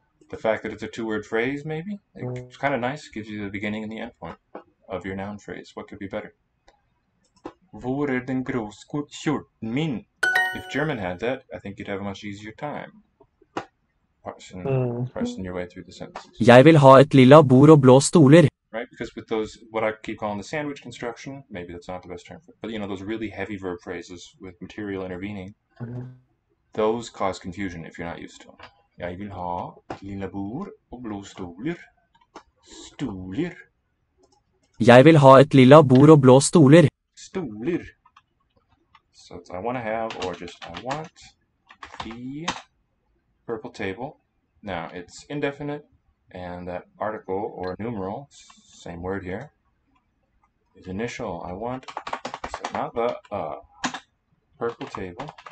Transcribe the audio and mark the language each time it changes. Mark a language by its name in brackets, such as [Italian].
[English] The fact that it's a two-word phrase, maybe, it's kind of nice, gives you the beginning and the end point of your noun phrase. What could be better? [Norwegian] Hvor den grå skjorten min? [English] If German had that, I think you'd have a much easier time parsing your way through the sentences. [Norwegian] Jeg vil ha et lilla bord og blå stoler. [English] Right? Because with those, what I keep calling the sandwich construction, maybe that's not the best term for it, but you know, those really heavy verb phrases with material intervening, those cause confusion if you're not used to them. [Norwegian] Jeg vil ha et lilla bord og blå stoler. Stoler. Jeg vil ha et lilla bord og blå stoler. Stoler. [English] So it's I want to have, or just I want the purple table. Now it's indefinite, and that article or numeral, same word here, is initial. I want, so not the purple table.